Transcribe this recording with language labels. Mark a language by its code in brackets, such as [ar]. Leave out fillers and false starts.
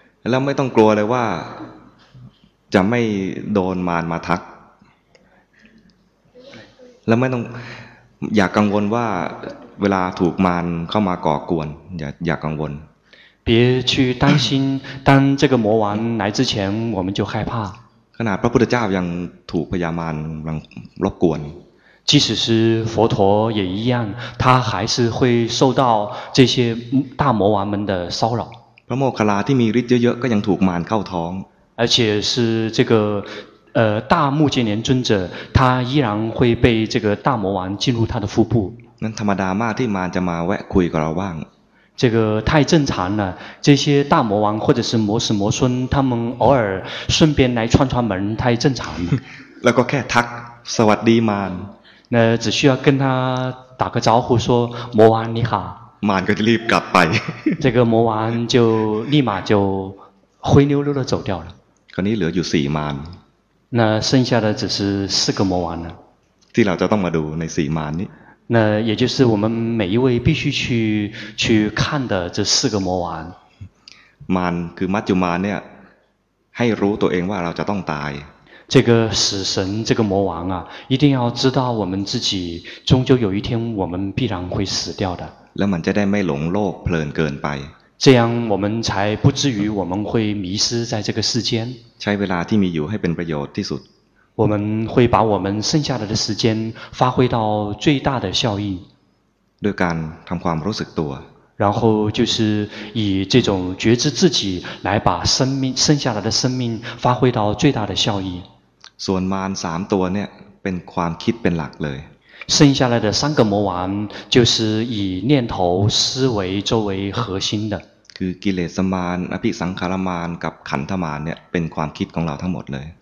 [th] แล้วไม่ต้องกลัวเลยว่าจะไม่โดนมารมาทักแล้วไม่ต้องอย่ากังวลว่าเวลาถูกมารเข้ามาก่อกวนอย่ากังวล [zh] 别去担心当这个魔王来之前我们就害怕 [th] ขนาดพระพุทธเจ้ายังถูกพญามารรบกวน [zh] 即使是佛陀也一样他还是会受到这些大魔王们的骚扰 [th] พระโมคคัลลาที่มีฤทธิ์เยอะๆก็ยังถูกมารเข้าท้อง [zh] 而且是这个大目犍连尊者他依然会被这个大魔王进入他的腹部 [th] นั้นธรรมดามากที่มารจะมาแวะคุยกับเราบ้าง [zh] 这个太正常了这些大魔王或者是魔师魔孙他们偶尔顺便来串串门太正常了 [th] แล้วก็แค่ทักสวัสดีมาร [zh] 那只需要跟他打个招呼说魔王你好 [th] มารก็จะรีบกลับไป [zh] 这个魔王就立马就灰溜溜的走掉了 [th] คราวนี้เหลืออยู่4มาร [zh] 那剩下的只是四个魔王了 [th] ที่เราจะต้องมาดูใน4มารนี้ [zh] 那也就是我们每一位必须去看的这四个魔王 [th] มารคือมัจจุมารเนี่ยให้รู้ตัวเองว่าเราจะต้องตาย [zh] 这个死神这个魔王啊一定要知道我们自己终究有一天我们必然会死掉的 [th] แล้วมันจะได้ไม่หลงโลกเพลินเกินไป [zh] 这样我们才不至于我们会迷失在这个世间 [th] ใช้เวลาที่มีอยู่ให้เป็นประโยชน์ที่สุด [zh] 我们会把我们剩下来的时间发挥到最大的效益 [th] ด้วยการทำความรู้สึกตัว [zh] 然后就是以这种觉知自己来把生命剩下来的生命发挥到最大的效益 [th] ส่วนมาร3ตัวเนี่ยเป็นความคิดเป็นหลักเลย [zh] 剩下来的三个魔王就是以念头思维作为核心的 [th] คือกิเลสมารอภิสังขารมารกับขันธมารเนี่ยเป็นความคิดของเราทั้งหมดเลย